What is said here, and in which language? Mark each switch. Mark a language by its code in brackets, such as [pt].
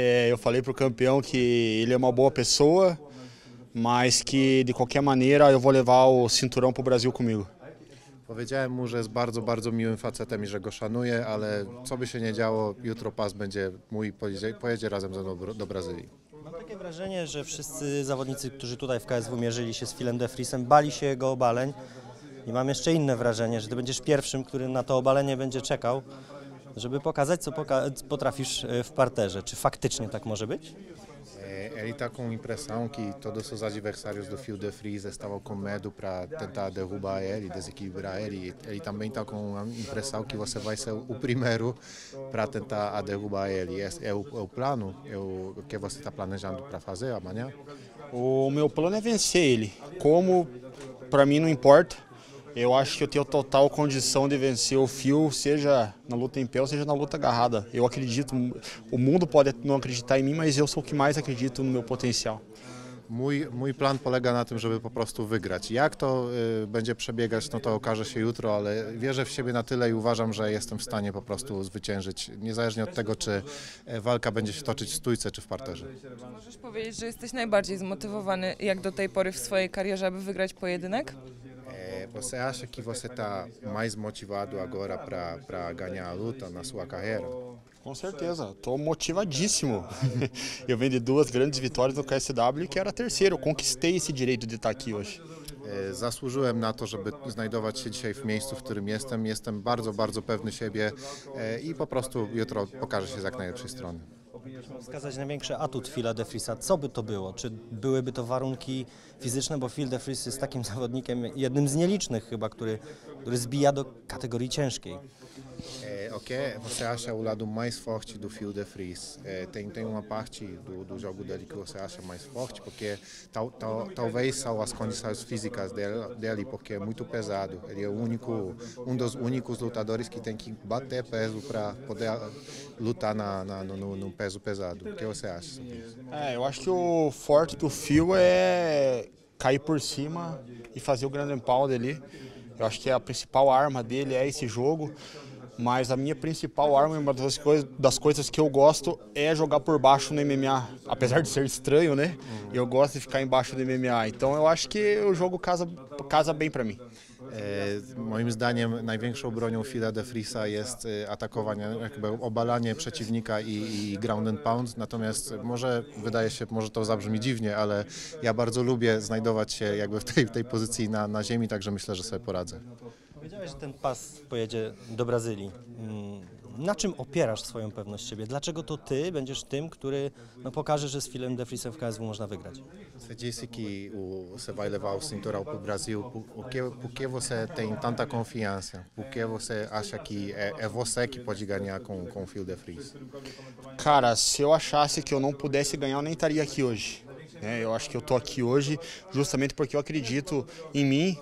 [pt] Eu falei pro campeão que ele é uma boa pessoa, mas que de qualquer maneira eu vou levar o cinturão pro Brasil comigo. [pl] Powiedziałem mu, że jest bardzo, bardzo miłym facetem i że go szanuję, ale co by się nie działo, jutro pas będzie mój, pojedzie razem ze mną do Brazylii. Mam takie wrażenie, że wszyscy zawodnicy, którzy tutaj w KSW mierzyli się z Philem de Frisem, bali się jego obaleń. I mam jeszcze inne wrażenie, że ty będziesz pierwszym, który na to obalenie będzie czekał, żeby pokazać, co potrafisz w parterze. Czy faktycznie tak może być? [pt] Ele está com a impressão que todos os adversários do Phil de Fries estavam com medo para tentar derrubar ele, desequilibrar ele. Ele também está com a impressão que você vai ser o primeiro para tentar derrubar ele. É o plano? É o que você está planejando para fazer amanhã? O meu plano é vencer ele. Como, para mim, não importa. Eu acho que eu tenho total condição de vencer o Phil, seja na luta em pé ou seja na luta agarrada. Eu acredito, o mundo pode não acreditar em mim, mas eu sou o que mais acredito no meu potencial. [pl] Mój plan polega na tym, żeby po prostu wygrać. Jak to będzie przebiegać, no to okaże się jutro, ale wierzę w siebie na tyle i uważam, że jestem w stanie po prostu zwyciężyć, niezależnie od tego, czy walka będzie się toczyć w stójce czy w parterze. Czy możesz powiedzieć, że jesteś najbardziej zmotywowany jak do tej pory w swojej karierze, aby wygrać pojedynek? [pt] Você acha que você está mais motivado agora para ganhar a luta na sua carreira? Com certeza, estou motivadíssimo. Eu venho de duas grandes vitórias no KSW, que era a terceira. Eu conquistei esse direito de estar aqui hoje. [pl] Zasłużyłem na to, żeby znajdować się dzisiaj w miejscu, w którym jestem. Jestem bardzo, bardzo pewny siebie i po prostu jutro pokażę się z jak najlepszej strony. Wskazać największy atut Phila de Frisa, co by to było? Czy byłyby to warunki fizyczne? Bo Phil de Fris jest takim zawodnikiem, jednym z nielicznych chyba, który zbija do kategorii ciężkiej. [pt] Ok, você acha o lado mais forte do Phil de Fris? Tem uma parte do jogo dele que você acha mais forte? Porque talvez são as condições físicas dele, porque é muito pesado. Ele é o único, um dos únicos lutadores que tem que bater peso para poder lutar no peso pesado. O que você acha sobre isso? Eu acho que o forte do Phil é cair por cima e fazer o Grand Pound ali. Eu acho que a principal arma dele é esse jogo. Mas a minha principal arma, uma das coisas que eu gosto, é jogar por baixo no MMA. Apesar de ser estranho, né? Eu gosto de ficar embaixo do MMA. Então eu acho que o jogo casa bem pra mim. [pl] Moim zdaniem największą bronią Phila de Frisa jest atakowanie, jakby obalanie przeciwnika i ground and pound. Natomiast może to zabrzmi dziwnie, ale ja bardzo lubię znajdować się jakby w tej pozycji na ziemi, także myślę, że sobie poradzę. Powiedziałeś, że ten pas pojedzie do Brazylii. Na czym opierasz swoją pewność siebie? Dlaczego to ty będziesz tym, który no, pokaże, że z Philem de Frisem w KSW można wygrać? [pt] Você disse que você vai levar o cinturão para o Brasil. Por que você tem tanta confiança? Por que você acha que é você que pode ganhar com o Phil de Fris? Cara, se eu achasse que eu não pudesse ganhar, eu nem estaria aqui hoje. Eu acho que eu estou aqui hoje justamente porque eu acredito em mim.